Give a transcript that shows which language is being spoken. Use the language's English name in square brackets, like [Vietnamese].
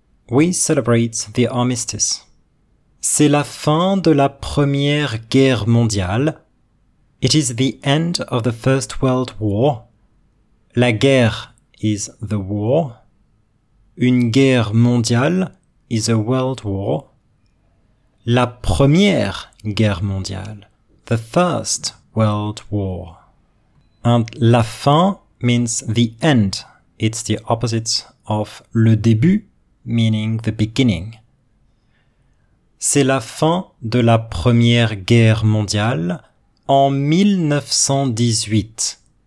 [English] We celebrate the armistice. [French] C'est la fin de la Première Guerre mondiale. [English] It is the end of the First World War. La guerre is the war. Une guerre mondiale is a world war. [French] La Première Guerre mondiale. [English] The First World War. And la fin means the end. It's the opposite of le début, meaning the beginning. [French] C'est la fin de la Première Guerre mondiale en 1918.